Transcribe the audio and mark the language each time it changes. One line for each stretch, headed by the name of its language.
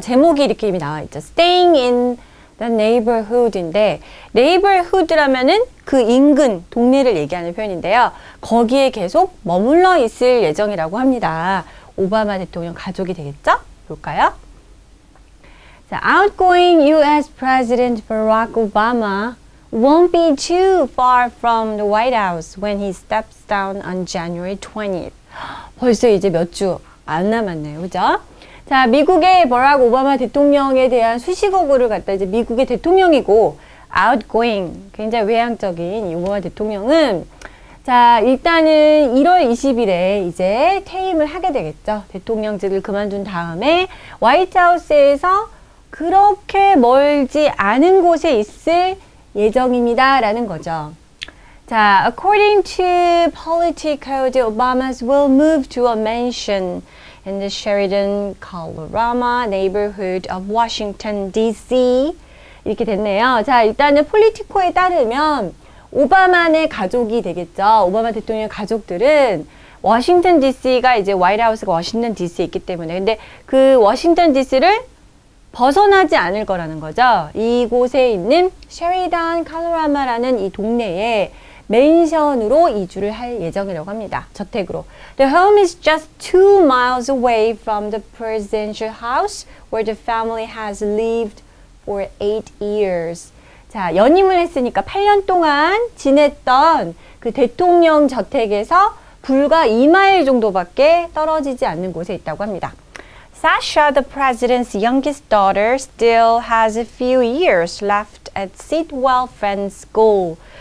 Korean: 제목이 이렇게 이미 나와있죠.
English: Staying in the neighborhood
Korean: 인데 neighborhood라면은 그 인근, 동네를 얘기하는 표현인데요. 거기에 계속 머물러 있을 예정이라고 합니다. 오바마 대통령 가족이 되겠죠? 볼까요?
English: The outgoing U.S. President Barack Obama won't be too far from the White House when he steps down on January 20th.
Korean: 벌써 이제 몇 주 안 남았네요, 그죠? 자, 미국의 버락 오바마 대통령에 대한 수식어구를 갖다 이제 미국의 대통령이고 outgoing, 굉장히 외향적인 이 오바마 대통령은 자, 일단은 1월 20일에 이제 퇴임을 하게 되겠죠. 대통령직을 그만둔 다음에 화이트하우스에서 그렇게 멀지 않은 곳에 있을 예정입니다. 라는 거죠.
English: 자, according to Politico, the Obamas will move to a mansion in the Sheridan, Colorama neighborhood of Washington, D.C.
Korean: 이렇게 됐네요. 자, 일단은 Politico에 따르면 오바마의 가족이 되겠죠. 오바마 대통령 가족들은 워싱턴 D.C.가 이제 화이트하우스가 워싱턴 D.C.에 있기 때문에 근데 그 워싱턴 D.C.를 벗어나지 않을 거라는 거죠. 이곳에 있는 셰리던 칼로라마라는 이 동네에 맨션으로 이주를 할 예정이라고 합니다. 저택으로.
English: The home is just 2 miles away from the presidential house where the family has lived for 8 years.
Korean: 자, 연임을 했으니까 8년 동안 지냈던 그 대통령 저택에서 불과 2마일 정도밖에 떨어지지 않는 곳에 있다고 합니다.
English: Sasha, the president's youngest daughter, still has a few years left at Sitwell Friends School.